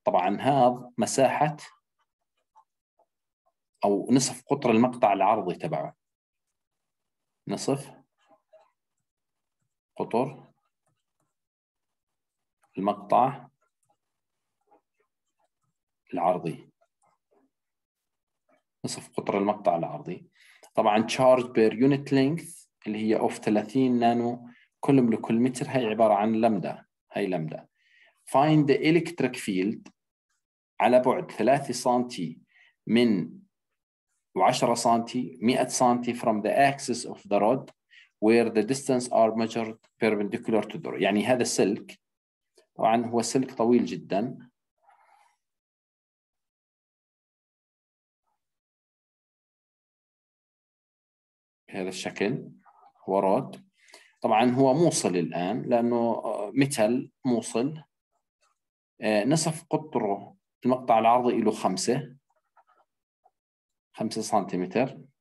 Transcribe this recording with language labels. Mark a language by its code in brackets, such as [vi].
[ar] طبعا هذا مساحة أو نصف قطر المقطع العرضي تبعه، نصف قطر المقطع العرضي، نصف قطر المقطع العرضي. طبعا [en] charge per unit length [ar] اللي هي of 30 نانو كولوم لكل متر، هي عبارة عن لمدة، هي لمدة. [en] find the electric field [ar] على بعد 3 سنتي من 10 سنتي 100 سنتي [en] from the axis of the rod where the distance are measured perpendicular to the rod. [ar] يعني هذا السلك طبعا هو سلك طويل جدا، هذا الشكل هو رود. طبعا هو موصل الآن لأنه مثل موصل، نصف قطره المقطع العرضي له 5 سنتيمتر.